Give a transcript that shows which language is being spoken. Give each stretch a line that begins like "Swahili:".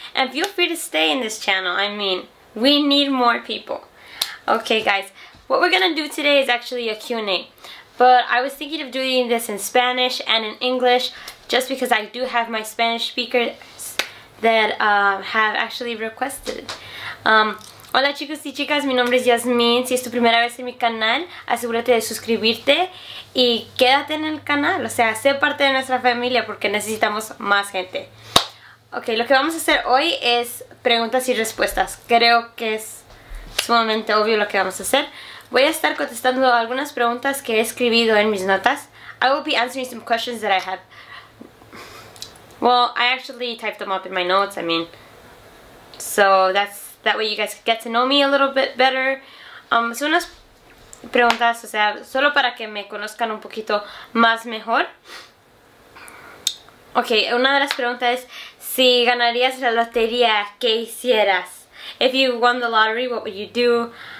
English: And feel free to stay in this channel. I mean, we need more people. Okay guys, what we're gonna do today is actually a Q&A. But I was thinking of doing this in Spanish and in English, just because I do have my Spanish speakers that have actually requested.
Spanish: Hola chicos y chicas, mi nombre es Yasmin. Si es tu primera vez en mi canal, asegúrate de suscribirte y quédate en el canal, o sea, sé parte de nuestra familia porque necesitamos más gente. Ok, lo que vamos a hacer hoy es preguntas y respuestas. Creo que es sumamente obvio lo que vamos a hacer. Voy a estar contestando algunas preguntas que he escribido en mis notas.
English: I will be answering some questions that I have. Well, I actually typed them up in my notes, I mean. So that way you guys get to know me a little bit better.
Spanish: Son unas preguntas, o sea, solo para que me conozcan un poquito más mejor. Ok, una de las preguntas es, si ganarías la lotería, ¿qué hicieras?
English: If you won the lottery, what would you do?